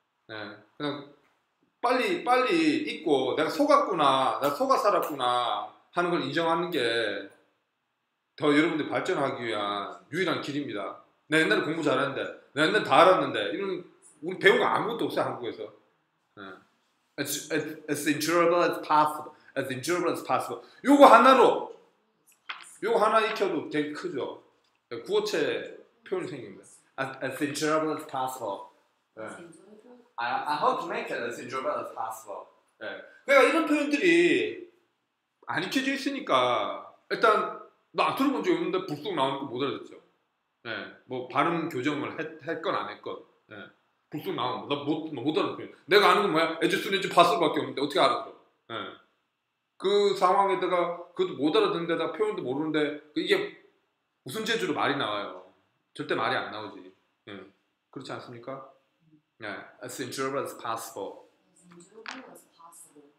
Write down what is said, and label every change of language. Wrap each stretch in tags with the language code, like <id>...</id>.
<ko>예, 그냥 빨리 잊고 내가 속았구나, 나 속아 살았구나 하는 걸 인정하는 게 더 여러분들 발전하기 위한 유일한 길입니다. 나 옛날에 공부 잘했는데, 나 옛날 다 알았는데 이런 우리 배우가 아무것도 없어요 한국에서. 예.</ko> <en>As enjoyable as possible, as enjoyable as possible.</en> <ko>요거 하나로. 요거 하나 익혀도 되게 크죠. 구어체 표현이 생깁니다.</ko> <en>As enjoyable as possible.</en> <ko>네.</ko> <en>I hope to make it as enjoyable as possible.</en> <ko>네. 그러니까 이런 표현들이 안 익혀져 있으니까 일단 나 들어본 적이 없는데 불쑥 나오는 거 못 알아듣죠. 네. 뭐 발음 교정을 했건 안 했건 네. 불쑥 나오는 거 나 못 알아듣어요. 내가 아는 건 뭐야?</ko> <en>As soon as possible</en> <ko>밖에 없는데 어떻게 알아듣어? 네. 그 상황에다가 그것도 못 알아듣는데다 표현도 모르는데 이게 무슨 재주로 말이 나와요? 절대 말이 안 나오지. 예. 그렇지 않습니까? 예.</ko> <en>As enjoyable as possible. As enjoyable as possible.</en>